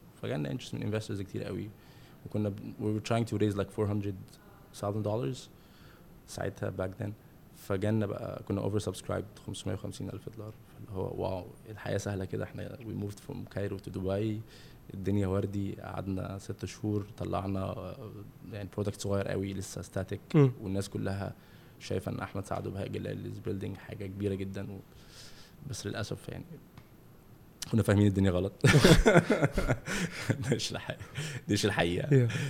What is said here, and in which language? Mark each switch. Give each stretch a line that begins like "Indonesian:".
Arabic: فجانا interest من investors كتير قوي, وكنا
English: we were trying to raise like
Arabic: $400,000 ساعتها
English: back then.
Arabic: فجانا بقى كنا oversubscribed $550,000, فاللي هو واو الحياة سهلة كده. احنا
English: we moved from Cairo to Dubai,
Arabic: الدنيا وردي. قعدنا 6 شهور طلعنا يعني product صغير قوي لسه static, والناس كلها شايفة ان احمد سعد وبهاء جلال
English: is building
Arabic: حاجة كبيرة جدا, بس للاسف يعني كنا فاهمين الدنيا غلط. مش الحقيقه, مش الحقيقه.